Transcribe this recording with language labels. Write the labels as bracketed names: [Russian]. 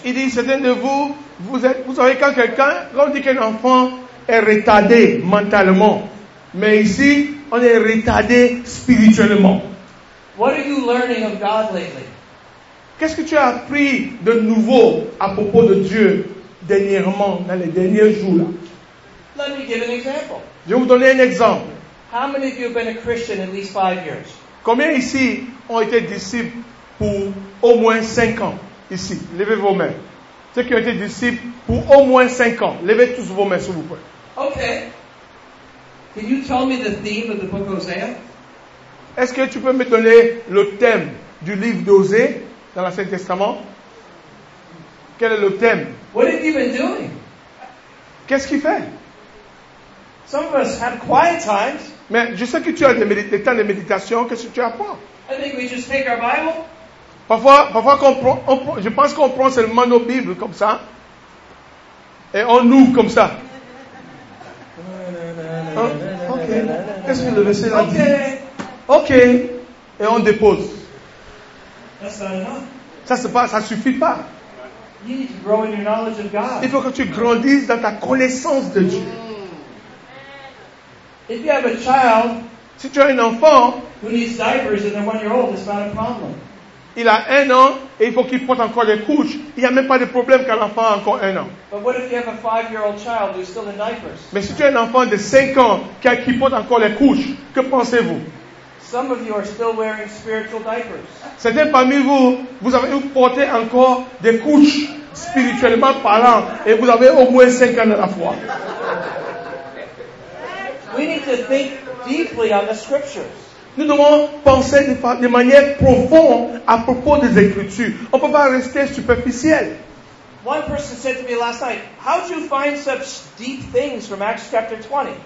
[French] Il dit, certains de vous, vous avez quand quelqu'un, quand on dit qu'un enfant est retardé mentalement. Mais ici, on est retardé spirituellement. [English] What are you learning of God lately? [French] Qu'est-ce que tu as appris de nouveau à propos de Dieu dernièrement, dans les derniers jours-là? [English] Let me give an example. [French] Je vais vous donner un exemple. [English] How many of you have been a Christian at least 5 years? [French] Combien ici ont été disciples pour au moins 5 ans? Ici, levez vos mains. Ceux qui ont été disciples pour au moins 5 ans, levez tous vos mains, s'il vous plaît. [English] Okay. Can you tell me the theme of the book of Hosea? [French] Est-ce que tu peux me donner le thème du livre d'Osée dans l'Ancien Testament? Quel est le thème? [English] What have you been doing? [French] Qu'est-ce qu'il fait? [English] Some of us have quiet times. [French] Mais je sais que tu as des temps de méditation. Qu'est-ce que tu apprends? [English] I think we just take our Bible. [French] Parfois je pense qu'on prend seulement nos Bibles comme ça. Et on ouvre comme ça. Ah, ok. Qu'est-ce que le verset a dit? Ok. Et on dépose. [English] That's not enough. [French] Ça, c'est pas, ça suffit pas. [English] You need to grow in your knowledge of God. [French] Il faut que tu grandisses dans ta connaissance de Dieu. [English] If you have a child, [French] si tu as un enfant, [English] who needs diapers and they're 1 year old, it's not a problem. [French] Il a un an et il faut qu'il porte encore des couches. Il n'y a même pas de problème quand l'enfant a encore un an. [English] But what if you have a 5-year-old child who's still in diapers? [French] Mais si tu as un enfant de 5 ans qui porte encore les couches, que pensez-vous? [English] Some of you are still wearing spiritual diapers. [French] Certains parmi vous, vous avez porté encore des couches spirituellement parlant et vous avez au moins 5 ans de la foi. [English] We need to think deeply on the scriptures. [French] Nous devons penser de manière profonde à propos des Écritures. On ne peut pas rester superficiel. [English] One person said to me last night, how do you find such deep things from Acts chapter 20?